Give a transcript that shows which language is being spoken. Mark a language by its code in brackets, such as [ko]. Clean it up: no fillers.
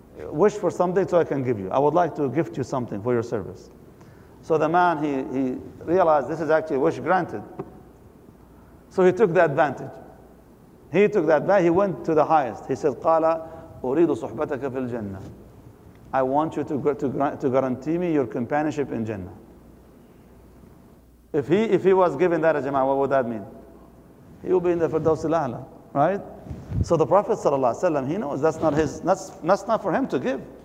[en] Wish for something so I can give you. I would like to gift you something for your service. So the man, he realized this is actually a wish granted. So he took the advantage. He took that advantage. He went to the highest. He said, [ar] "Qala, أريد صحبتك في الجنة." [en] I want you to guarantee me your companionship in Jannah. If he was given that, Jama'ah, what would that mean? He will be in the Firdaws al-A'la. Right? So the Prophet sallallahu alaihi wasallam, he knows that's not for him to give.